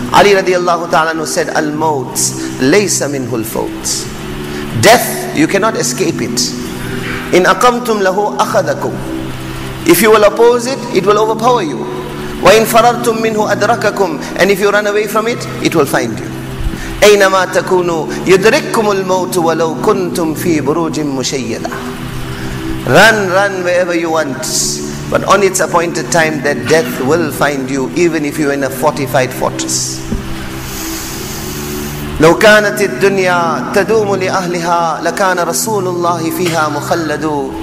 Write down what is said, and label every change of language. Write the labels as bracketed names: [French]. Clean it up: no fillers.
[English] Ali radiallahu ta'ala said, [Arabic] Al-maut laysa minhu al-faut. [English] Death, you cannot escape it. [Arabic] In aqamtum lahu akhadakum. [English] If you will oppose it, it will overpower you. [Arabic] Wa in farartum minhu adrakakum. [English] And if you run away from it, it will find you. [Arabic] أينما تكونوا يدرككم الموت ولو كنتم في بروج مشيدة. [English] Run wherever you want, but on its appointed time that death will find you, even if you are in a fortified fortress. [Arabic] لو كانت الدنيا تدوم لأهلها لكان رسول الله فيها مخلد.